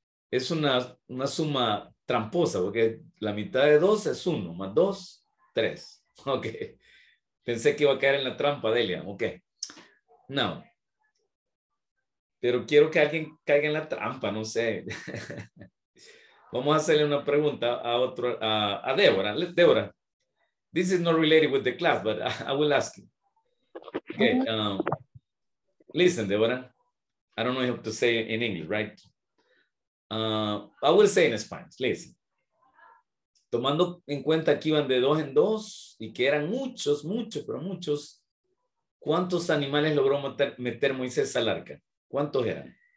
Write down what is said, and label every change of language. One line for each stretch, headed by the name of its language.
Spanish: Es una suma tramposa, porque la mitad de dos es uno, más dos, tres. Ok. Pensé que iba a caer en la trampa, Delia. Ok. No. Pero quiero que alguien caiga en la trampa, no sé. Vamos a hacerle una pregunta a otro, a Débora.
English: Débora, this is not related with the class, but I will ask you. Okay. Listen, Débora. I don't know how to say it in English, right? I will say in Spanish, listen.
Spanish: Tomando en cuenta que iban de dos en dos y que eran muchos, muchos, pero muchos, ¿cuántos animales logró meter Moisés al arca? ¿Cuántos eran?